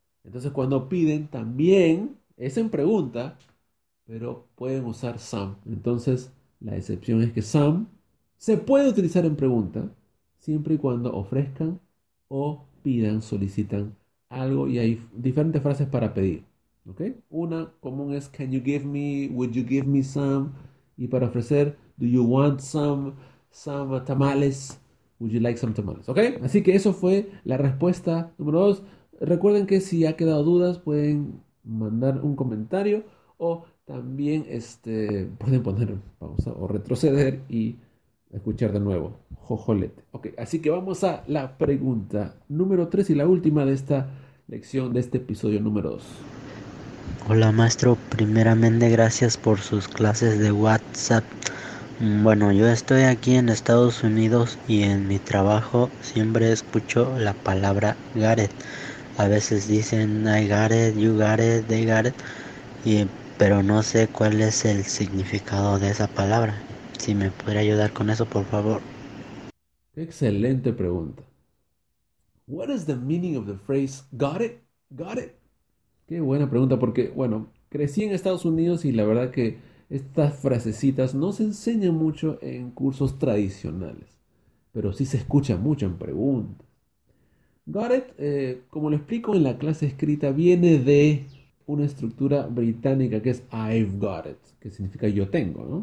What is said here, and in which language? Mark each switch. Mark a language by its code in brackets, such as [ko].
[es] Entonces cuando piden también es en pregunta, pero pueden usar some. Entonces, la excepción es que some se puede utilizar en pregunta siempre y cuando ofrezcan o pidan, solicitan algo y hay diferentes frases para pedir. ¿Okay? Una común es [en] can you give me, would you give me some? Y para ofrecer, do you want some tamales? Would you like some tamales? ¿Okay? [es] Así que eso fue la respuesta número 2. Recuerden que si ha quedado dudas pueden mandar un comentario o también pueden poner pausa o retroceder y escuchar de nuevo. Jojolete. Ok, así que vamos a la pregunta número 3 y la última de esta lección, de este episodio número 2. Hola maestro, primeramente gracias por sus clases de WhatsApp. Bueno, yo estoy aquí en Estados Unidos y en mi trabajo siempre escucho la palabra Gareth. A veces dicen [en] I Gareth, you Gareth, they Gareth, [es] pero no sé cuál es el significado de esa palabra. Si me puede ayudar con eso, por favor. Excelente pregunta. [en] What is the meaning of the phrase got it? Got it? [es] Qué buena pregunta porque, bueno, crecí en Estados Unidos y la verdad que estas frasecitas no se enseñan mucho en cursos tradicionales, pero sí se escucha mucho en preguntas. Got it, como lo explico en la clase escrita, viene de una estructura británica que es [en] I've got it, [es] que significa yo tengo, ¿no?